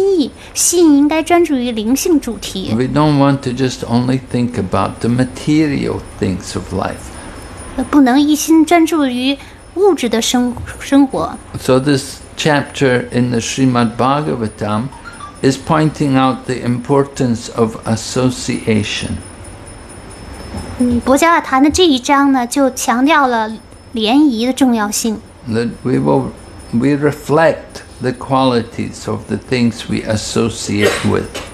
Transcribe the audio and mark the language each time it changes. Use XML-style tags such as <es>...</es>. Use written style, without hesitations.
<zh>我们要学习怎么控制心意，心应该专注于灵性主题。</zh> <en>We don't want to just only think about the material things of life.</en> <zh>不能一心专注于物质的生活。</zh> <en>So this chapter in the Srimad Bhagavatam is pointing out the importance of association.</en> <zh>博迦塔坛的这一章呢，就强调了联谊的重要性。</zh> <en>That we reflect the qualities of the things we associate with.</en>